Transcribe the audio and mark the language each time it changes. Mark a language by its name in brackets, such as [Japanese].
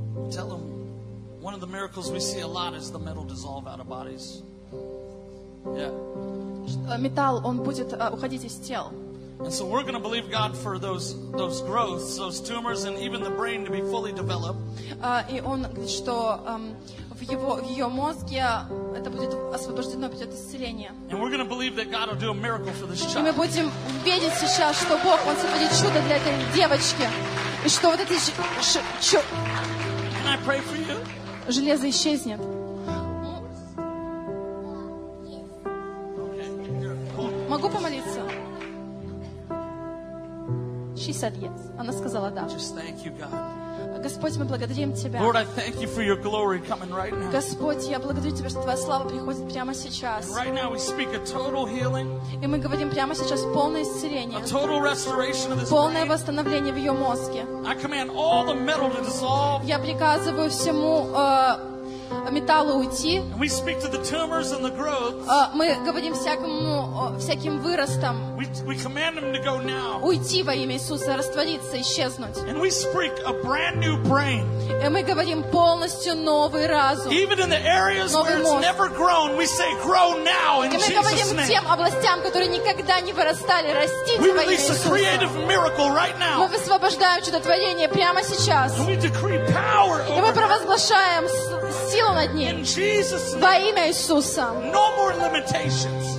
[English] Tell them one of the miracles we see a lot is the metal dissolve out of bodies. Yeah. [Russian] Металл он будет уходить из тел. [English] And so we're going to believe God for those growths, those tumors, and even the brain to be fully developed. [Russian] И он говорит, что в ее мозге это будет освобождено, придет исцеление. [English] And we're going to believe that God will do a miracle for this child. [Russian] И мы будем верить сейчас, что Бог, Он сотворит чудо для этой девочки. И что вот это [English] Can I pray for you? [Russian] Железо исчезнет. [English] Okay. [Russian] могу помолиться? [English] She said yes. [Russian] Она сказала да. [English] Just thank you, God. [Russian] Господь, мы благодарим Тебя. [English] Lord, I thank you for your glory coming right now. [Russian] Господь, я благодарю Тебя, что Твоя слава приходит прямо сейчас. [English] Right now we speak a total healing. [Russian] И мы говорим прямо сейчас полное исцеление. [English] A total restoration of this. [Russian] Полное восстановление в ее мозге. [English] I command all the metal to dissolve. [Russian] Я приказываю всему металлу уйти. [English] And we speak to the tumors and the growths. [Russian] Мы говорим всяким выростам. [English] We command them to go now. [Russian] Уйти во имя Иисуса, раствориться, исчезнуть. [English] And we speak a brand new brain. [Russian] И мы говорим полностью новый разум. [English] Even in the areas where it's never grown, we say grow now in Jesus' name. [Russian] И мы говорим тем областям, которые никогда не вырастали, растите во имя Иисуса. [English] We release a creative miracle right now. [Russian] Мы высвобождаем чудотворение прямо сейчас. [English] And we decree power over. [Russian] И мы провозглашаем силу над ним. [English] In Jesus' name. [Russian] Во имя Иисуса. [English] No more limitations.